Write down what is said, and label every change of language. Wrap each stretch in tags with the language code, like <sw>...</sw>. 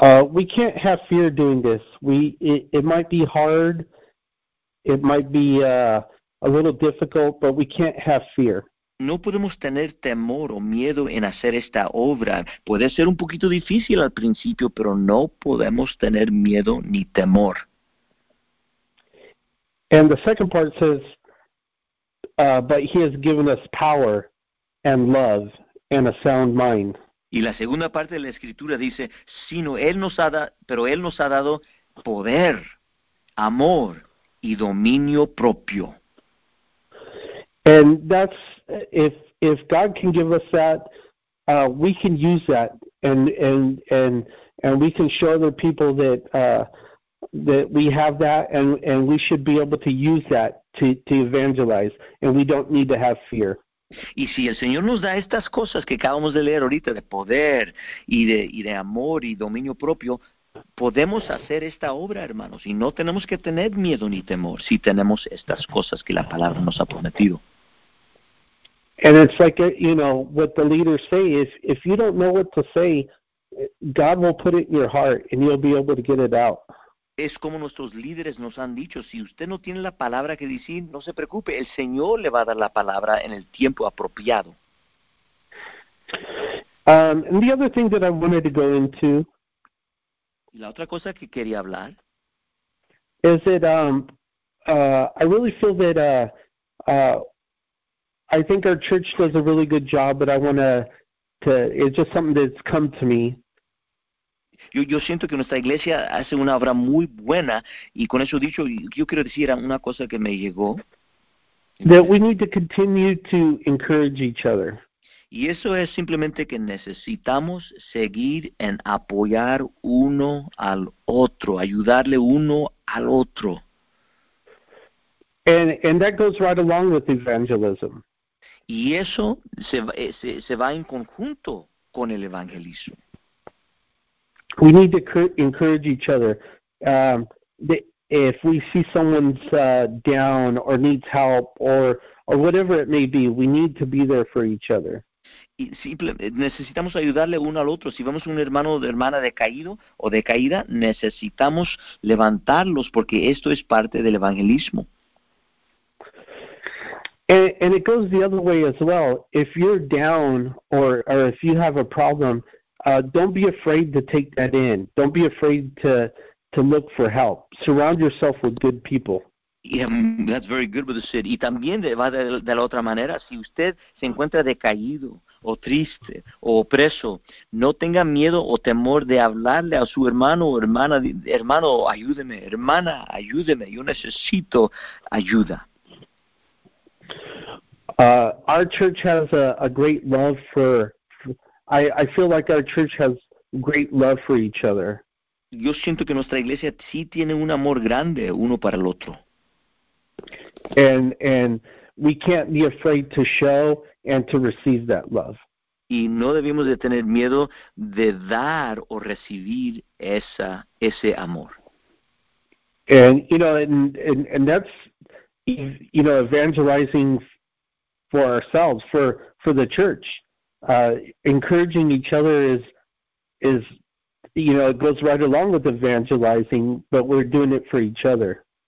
<en>We can't have fear doing this. It might be hard. It might be a little difficult, but we can't have fear.</en> <es>No podemos tener temor o miedo en hacer esta obra. Puede ser un poquito difícil al principio, pero no podemos tener miedo ni temor.</es> <en>And the second part says, but he has given us power. And love and a sound mind.</en> <es>Y la segunda parte de la escritura dice, sino él nos ha pero él nos ha dado poder, amor y dominio propio.</es> <en>And that's if God can give us that, we can use that and we can show other people that that we have that and we should be able to use that to evangelize and we don't need to have fear.</en> <es>Y si el Señor nos da estas cosas que acabamos de leer ahorita, de poder y de amor y dominio propio, podemos hacer esta obra, hermanos, y no tenemos que tener miedo ni temor si tenemos estas cosas que la palabra nos ha prometido.</es> <en>And it's like, you know, what the leaders say is, if you don't know what to say, God will put it in your heart and you'll be able to get it out.</en> <es>Es como nuestros líderes nos han dicho, si usted no tiene la palabra que decir, no se preocupe, el Señor le va a dar la palabra en el tiempo apropiado.</es> <en>And the other thing that I wanted to go into,</en> <es>La otra cosa que quería hablar</es> <en>is that I really feel that I think our church does a really good job, but I want to, it's just something that's come to me.</en> <es>Yo siento que nuestra iglesia hace una obra muy buena, y con eso dicho, yo quiero decir una cosa que me llegó.</es> <en>That we need to continue to encourage each other.</en> <es>Y eso es simplemente que necesitamos seguir en apoyar uno al otro, ayudarle uno al otro.</es> <en>And that goes right along with evangelism.</en> <es>Y eso se va en conjunto con el evangelismo.</es> <en>We need to encourage each other. If we see someone's down or needs help or whatever it may be, we need to be there for each other.</en> <es>Y necesitamos ayudarle uno al otro. Si vemos un hermano o hermana decaído o decaída, necesitamos levantarlos porque esto es parte del evangelismo.</es> <en>And it goes the other way as well. If you're down or if you have a problem, don't be afraid to take that in. Don't be afraid to look for help. Surround yourself with good people. Yeah, that's very good with the Sid.</en> <es>Y también va de la otra manera. Si usted se encuentra decaído o triste o opreso, no tenga miedo o temor de hablarle a su hermano o hermana. Hermano, ayúdeme. Hermana, ayúdeme. Yo necesito ayuda.</es> <en>Our church has a great love for. I feel like our church has great love for each other.</en> <es>Yo siento que nuestra iglesia sí tiene un amor grande uno para el otro.</es> <en>And we can't be afraid to show and to receive that love.</en> <es>Y no debemos de tener miedo de dar o recibir ese amor.</es> <en>And you know, and that's, you know, evangelizing for ourselves, for the church. Encouraging each other is, you know, it goes right along with evangelizing, but we're doing it for each other.</en>